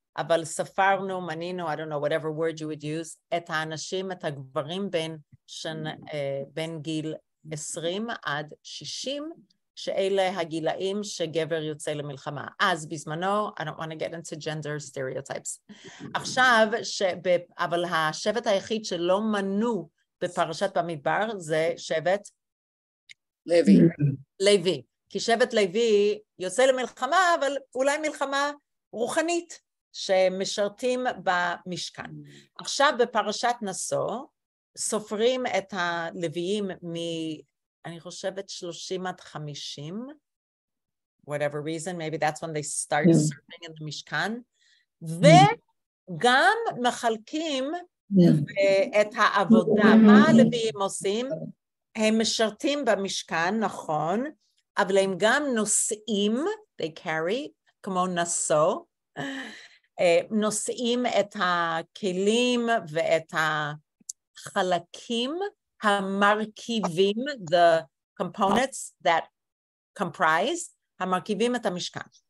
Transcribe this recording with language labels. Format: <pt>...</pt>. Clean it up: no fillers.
<he>Aval safarnu, maninu,</he> <en>I don't know, whatever word you would use,</en> <he>et ha-anashim, et ha-gvarim ben gil 20 ad 60, שאלה הגילאים שגבר יוצא למלחמה. אז בזמנו,</he> <en>I don't want to get into gender stereotypes.</en> <he>עכשיו, אבל השבט היחיד שלא מנו בפרשת במדבר, זה שבט? לוי. לוי. כי שבט לוי יוצא למלחמה, אבל אולי מלחמה רוחנית, שמשרתים במשכן. עכשיו בפרשת נסו, סופרים את הלוויים מ... אני חושבת 30 עד 50,</he> <en>whatever reason, maybe that's when they start serving in the Mishkan,</en> <he>וגם מחלקים את העבודה. מה הלוויים עושים? הם משרתים במשכן, נכון, אבל הם גם נושאים,</he> <en>they carry,</en> <he>כמו נסו, נושאים את הכלים ואת החלקים, המרכיבים,</he> <en>the components that comprise,</en> <he>המרכיבים את המשכן.</he>